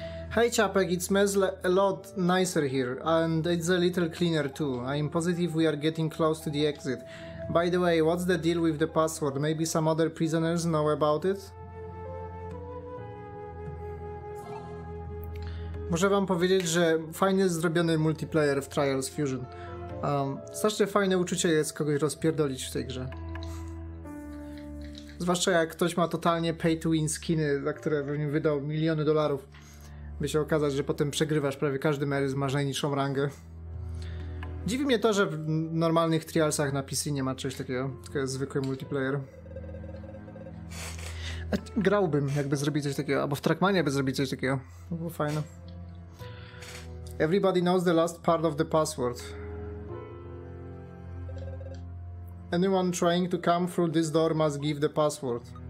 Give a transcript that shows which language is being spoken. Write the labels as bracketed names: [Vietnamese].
[English] Hey Chapek, it smells a lot nicer here, and it's a little cleaner too. I'm positive we are getting close to the exit. By the way, what's the deal with the password? Maybe some other prisoners know about it? [Polish] Muszę wam powiedzieć, że fajnie zrobiony multiplayer w Trials Fusion. Strasznie fajne uczucie jest kogoś rozpierdolić w tej grze. Zwłaszcza jak ktoś ma totalnie pay to win skiny, za które bym wydał miliony dolarów. By się okazać, że potem przegrywasz prawie każdy mecz, masz najniższą rangę. Dziwi mnie to, że w normalnych Trialsach na PC nie ma czegoś takiego, tylko jest zwykły multiplayer. Grałbym, jakby zrobić coś takiego, albo w Trackmania by zrobić coś takiego. To było fajne. [English] Everybody knows the last part of the password. Anyone trying to come through this door must give the password.